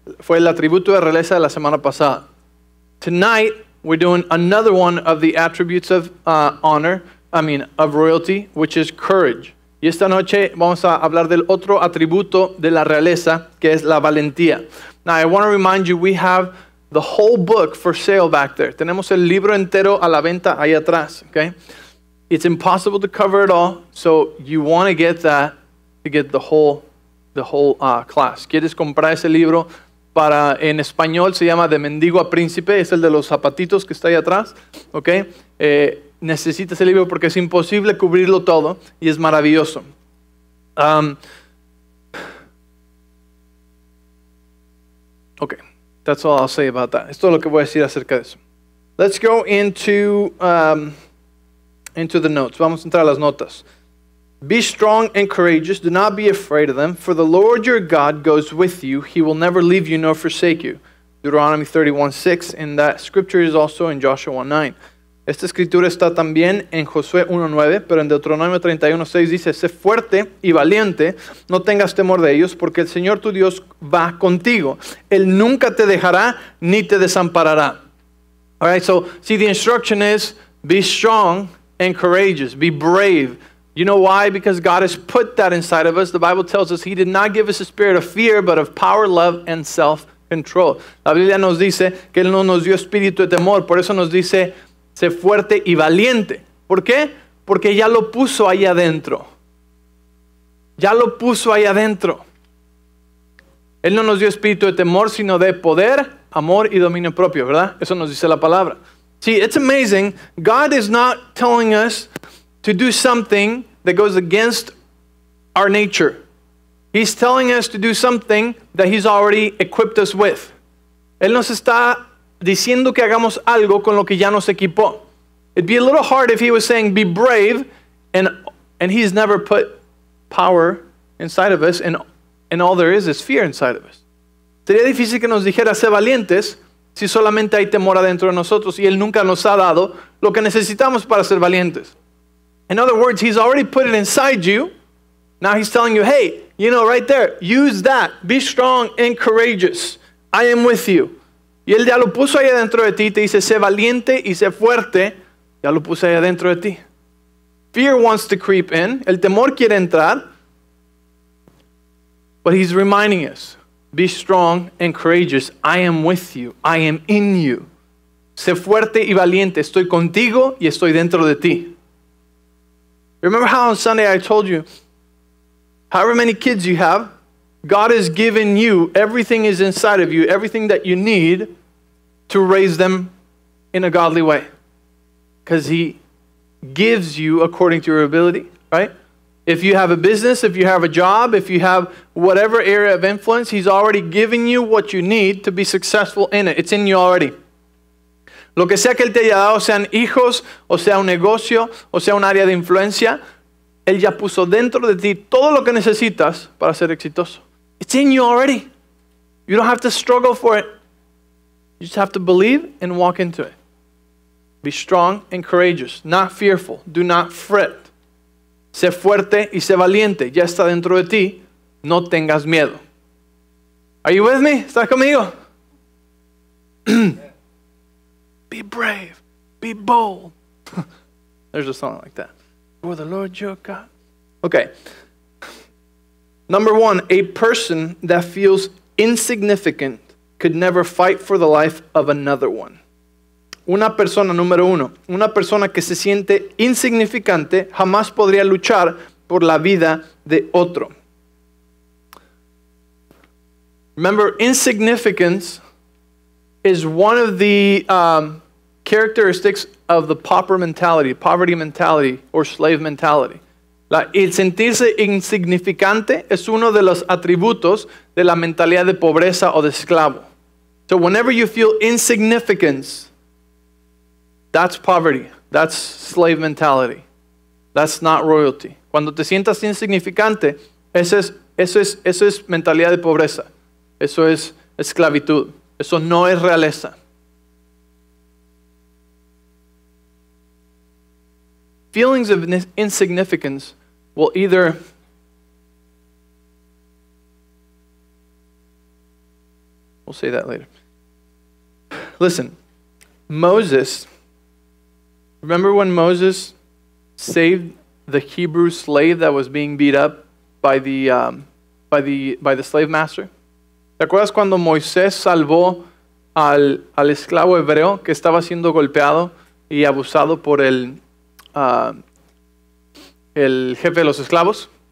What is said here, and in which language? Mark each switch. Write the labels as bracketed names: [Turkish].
[Spanish] Fue el atributo de realeza de la semana pasada. [English] Tonight we're doing another one of the attributes of of royalty, which is courage. [Spanish] Y esta noche vamos a hablar del otro atributo de la realeza, que es la valentía. [English] Now I want to remind you, we have the whole book for sale back there. [Spanish] Tenemos el libro entero a la venta ahí atrás, okay? [English] It's impossible to cover it all, so you want to get that to get the whole class. [Spanish] ¿Quieres comprar ese libro? Para en español se llama De Mendigo a Príncipe, es el de los zapatitos que está ahí atrás, okay? Necesitas el libro porque es imposible cubrirlo todo y es maravilloso. [English] Okay, that's all I'll say about that. [Spanish] Esto es lo que voy a decir acerca de eso. [English] Let's go into the notes. [Spanish] Vamos a entrar a las notas. [English] Be strong and courageous. Do not be afraid of them. For the Lord your God goes with you. He will never leave you nor forsake you. Deuteronomy 31:6. And that scripture is also in Joshua 1:9. [Spanish] Esta escritura está también en Josué 1:9, pero en Deuteronomio 31:6 dice, sé fuerte y valiente, no tengas temor de ellos, porque el Señor tu Dios va contigo. Él nunca te dejará ni te desamparará. [English] All right, so, see, the instruction is, be strong and courageous, be brave. You know why? Because God has put that inside of us. The Bible tells us he did not give us a spirit of fear, but of power, love, and self-control. [Spanish] La Biblia nos dice que Él no nos dio espíritu de temor, por eso nos dice, sé fuerte y valiente. ¿Por qué? Porque ya lo puso ahí adentro. Ya lo puso ahí adentro. Él no nos dio espíritu de temor, sino de poder, amor y dominio propio, ¿verdad? Eso nos dice la palabra. [English] See, it's amazing. God is not telling us to do something that goes against our nature. He's telling us to do something that he's already equipped us with. [Spanish] Él nos está diciendo que hagamos algo con lo que ya nos equipó. [English] It'd be a little hard if he was saying, be brave, and he's never put power inside of us, and all there is fear inside of us. [Spanish] Sería difícil que nos dijera, sé valientes, si solamente hay temor adentro de nosotros, y él nunca nos ha dado lo que necesitamos para ser valientes. [English] In other words, he's already put it inside you. Now he's telling you, hey, you know, right there, use that. Be strong and courageous. I am with you. [Spanish] Y él ya lo puso ahí adentro de ti, te dice, sé valiente y sé fuerte, ya lo puse ahí adentro de ti. [English] Fear wants to creep in, [Spanish] el temor quiere entrar, [English] but he's reminding us, be strong and courageous, I am with you, I am in you. [Spanish] Sé fuerte y valiente, estoy contigo y estoy dentro de ti. [English] Remember how on Sunday I told you, however many kids you have, God has given you, everything is inside of you, everything that you need to raise them in a godly way. Because he gives you according to your ability, right? If you have a business, if you have a job, if you have whatever area of influence, he's already given you what you need to be successful in it. It's in you already. Lo que sea que él te haya dado, sean hijos, o sea un negocio, o sea un área de influencia, él ya puso dentro de ti todo lo que necesitas para ser exitoso. It's in you already. You don't have to struggle for it. You just have to believe and walk into it. Be strong and courageous. Not fearful. Do not fret. [Spanish] Sé fuerte y sé valiente. Ya está dentro de ti. No tengas miedo. [English] Are you with me? [Spanish] ¿Estás conmigo? [English] Be brave. Be bold. There's a song like that. For the Lord your God. Okay. Number one, a person that feels insignificant could never fight for the life of another one. [Spanish] Una persona, número uno, una persona que se siente insignificante jamás podría luchar por la vida de otro. [English] Remember, insignificance is one of the characteristics of the pauper mentality, poverty mentality, or slave mentality. [Spanish] El sentirse insignificante es uno de los atributos de la mentalidad de pobreza o de esclavo. [English] So whenever you feel insignificance, that's poverty. That's slave mentality. That's not royalty. [Spanish] Cuando te sientas insignificante, eso es mentalidad de pobreza. Eso es esclavitud. Eso no es realeza. [English] feelings of insignificance will either we'll say that later. Listen, Moses, remember when Moses saved the Hebrew slave that was being beat up by the slave master? [Spanish] ¿Te acuerdas cuando Moisés salvó al esclavo hebreo que estaba siendo golpeado y abusado por el jefe de los esclavos?